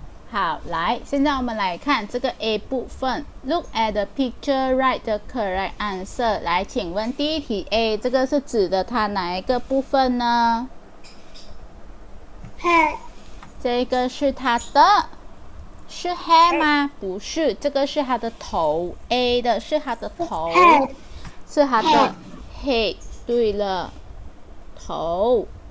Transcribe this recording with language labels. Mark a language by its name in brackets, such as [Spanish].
[Chinese] 好，来，现在我们来看这个 A 部分。 [English] Look at the picture, write the correct answer. [Chinese] 来，请问第一题 A 这个是指的它哪一个部分呢？ [English] Head。 [Chinese] 这个是它的，是 head 吗？Head. 不是，这个是它的头。A 的是它的头， [English] head. [Chinese] 是它的 head。对了，头。